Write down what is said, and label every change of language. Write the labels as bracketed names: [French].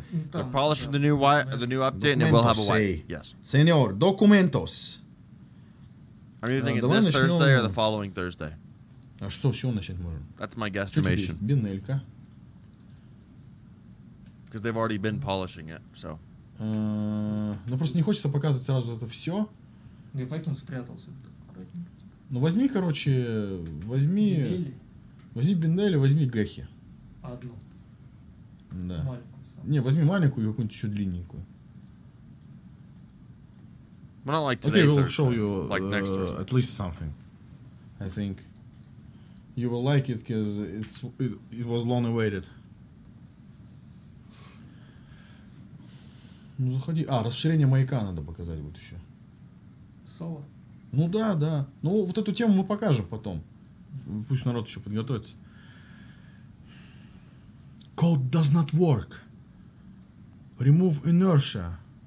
[English] They're polishing the new update, and it will have a wipe. Yes. [Spanish] Señor, documentos. [English] Are you thinking this Thursday or the following Thursday? [Russian] А что, с чего начать можем? [English] That's my guesstimation. [Russian] Бинелька. [English] Because they've already been polishing it, so. [Russian] Ну просто не хочется показывать сразу это все. И поэтому спрятался аккуратненько. Ну возьми, короче, возьми Бинелли, возьми Гехи. Одну. Да. Маленькую. Не, возьми маленькую и какую-нибудь еще длинненькую. [English] Not like today, okay, we'll Thursday. Show you like next at least something. I think you will like it because it was long awaited. [Russian] Ну заходи. А, расширение маяка надо показать вот еще. Соло? Ну да, да. Ну вот эту тему мы покажем потом. Пусть народ еще подготовится. [English] Code does not work. Remove inertia.